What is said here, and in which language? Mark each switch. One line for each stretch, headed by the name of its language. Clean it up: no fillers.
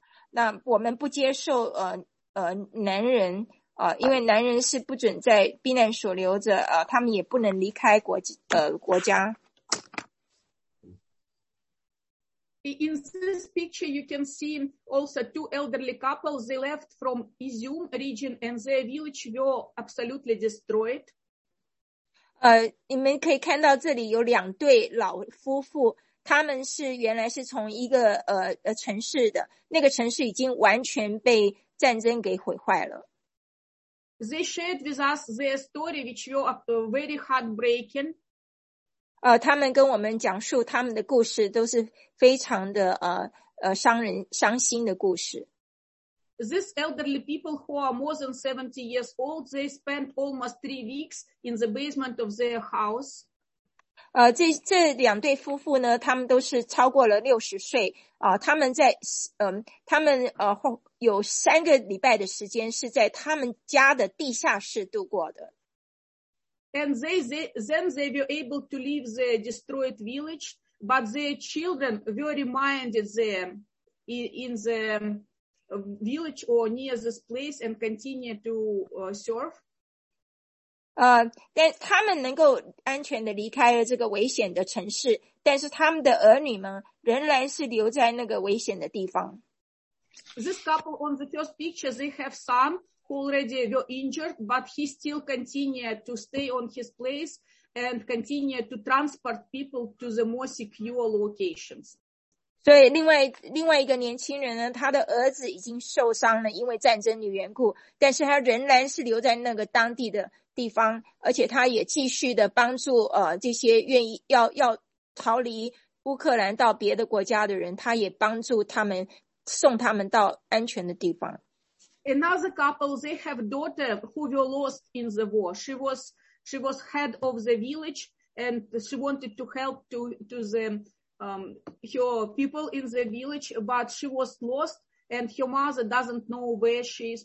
Chinese: 那我们不接受男人因为男人是不准在避难所留着他们也不能离开国家。
English: In this picture, you can see also two elderly couples. They left from Izum region, and their village were absolutely destroyed.
Chinese: 你们可以看到这里有两对老夫妇，他们是原来是从一个城市的，那个城市已经完全被战争给毁坏了。
English: They shared with us their story, which were very heartbreaking.
Chinese: 他们跟我们讲述他们的故事都是非常的伤心的故事。
English: These elderly people who are more than 70 years old, they spent almost 3 weeks in the basement of their house.
Chinese: 这两对夫妇呢，他们都是超过了60岁他们在他们有三个礼拜的时间是在他们家的地下室度过的。
English: And then they were able to leave the destroyed village, but their children were reminded them in the village or near this place and continue to serve.
Chinese: 但他们能够安全的离开了这个危险的城市，但是他们的儿女们仍然是留在那个危险的地方。
English: This couple on the first picture, they have son who already got injured, but he still continued to stay on his place and continued to transport people to the more secure locations.
Chinese: 所以另外一个年轻人呢，他的儿子已经受伤了，因为战争的缘故，但是他仍然是留在那个当地的地方，而且他也继续的帮助这些愿意要逃离乌克兰到别的国家的人，他也帮助他们。送他们到安全的地方。
English: Another couple, they have a daughter who was lost in the war. She was head of the village, and she wanted to help to the her people in the village, but she was lost, and her mother doesn't know where she is.